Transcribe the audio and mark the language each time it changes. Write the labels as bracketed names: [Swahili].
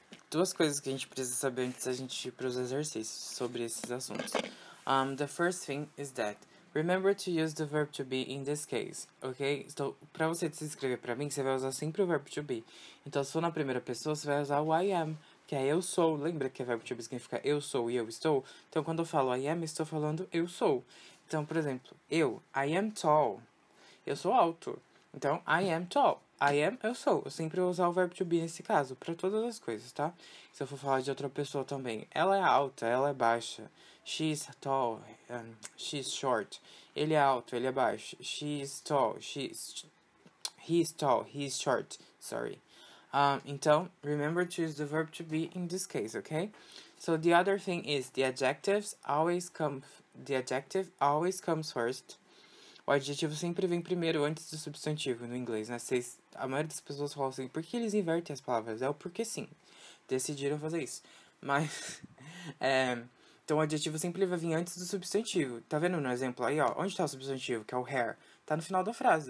[Portuguese] Duas coisas que a gente precisa saber antes da gente ir pros exercícios sobre esses assuntos. [English] The first thing is that... Remember to use the verb to be in this case, ok? [Portuguese] Então, pra você se inscrever pra mim, você vai usar sempre o verb to be. Então, se for na primeira pessoa, você vai usar o I am, que é eu sou. Lembra que o verb to be significa eu sou e eu estou? Então, quando eu falo I am, estou falando eu sou. Então, por exemplo, eu, [English] I am tall. [Portuguese] Eu sou alto. Então, [English] I am tall. I am, [Portuguese] eu sou. Eu sempre vou usar o verb to be nesse caso, pra todas as coisas, tá? Se eu for falar de outra pessoa também, ela é alta, ela é baixa. [English] She's tall, she's short. [Portuguese] Ele é alto, ele é baixo. [English] He's tall, he's short, sorry. [Portuguese] Então, [English] remember to use the verb to be in this case, okay? So, the other thing is, the adjective always comes first. [Portuguese] O adjetivo sempre vem primeiro, antes do substantivo, no inglês, né? A maioria das pessoas fala assim, por que eles invertem as palavras? É o porquê sim. Decidiram fazer isso. Mas, então, o adjetivo sempre vai vir antes do substantivo. Tá vendo no exemplo aí, ó? Onde tá o substantivo, que é o hair? Tá no final da frase.